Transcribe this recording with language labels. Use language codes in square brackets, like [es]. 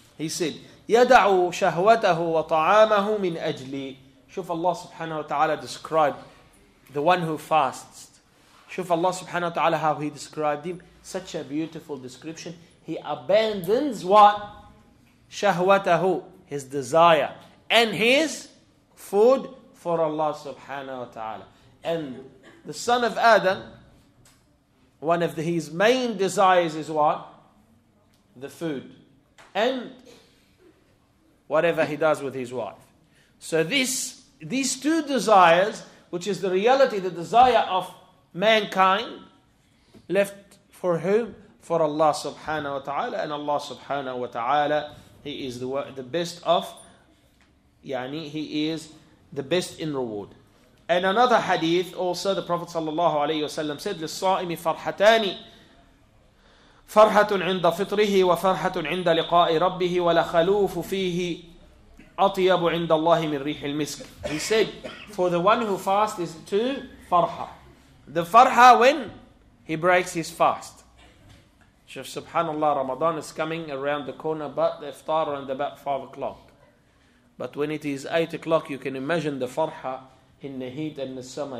[en] He said, [ar] يَدَعُ شَهْوَتَهُ وَطَعَامَهُ مِنْ أَجْلِي. Shuf [en] Allah subhanahu wa ta'ala described the one who fasts. [ar] Shuf [en] Allah subhanahu wa ta'ala how he described him. Such a beautiful description. He abandons what? [ar] شَهْوَتَهُ, [en] his desire, and his food for Allah subhanahu wa ta'ala. And the son of Adam, one of his main desires is what? The food. And whatever he does with his wife. So these two desires, which is the reality, the desire of mankind, left for whom? For Allah subhanahu wa ta'ala. And Allah subhanahu wa ta'ala, he is the best of, [ar] yani [en] he is the best in reward. And another hadith also, the Prophet sallallahu alayhi wa sallam said, [ar] للصائم فرحتان فرحة عند فطره وفرحة عند لقاء ربه ولا خلوف فيه أطيب عند الله من ريح المسك. [en] He said, for the one who fasts is two farha. The farha when he breaks his fast. Shaykh, subhanallah, Ramadan is coming around the corner, but the iftar around about 5 o'clock. But when it is 8 o'clock, you can imagine the farha in the heat and the summer.